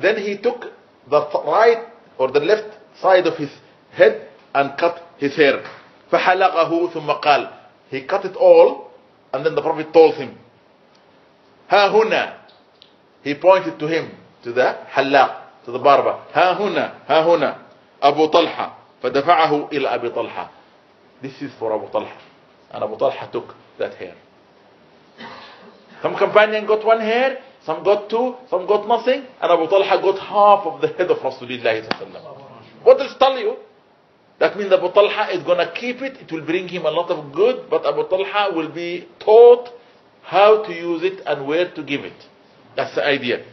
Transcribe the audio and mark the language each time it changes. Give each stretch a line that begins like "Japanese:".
English: Then he took the right or the left side of his head and cut his hair.
Arabic: فَحَلَقَهُ ثُمَّ قَالَ.
English: He cut it all, and then the Prophet told him,
Arabic: هَا هُنَا.
English: He pointed to him, to the halaq, to the barber.
Arabic: هَا هُنَا, هَا هُنَا. Abu Talha, فَدَفَعَهُ إِلَىٰ أَبِي طَلْحَ.
English: This is for Abu Talha. And Abu Talha took that hair. Some companion got one hair, some got two, some got nothing, and Abu Talha got half of the head of Rasulullah sallallahu alayhi wa sallam. What does tell you? That means Abu Talha is going to keep it will bring him a lot of good, but Abu Talha will be taught how to use it and where to give it. That's the idea.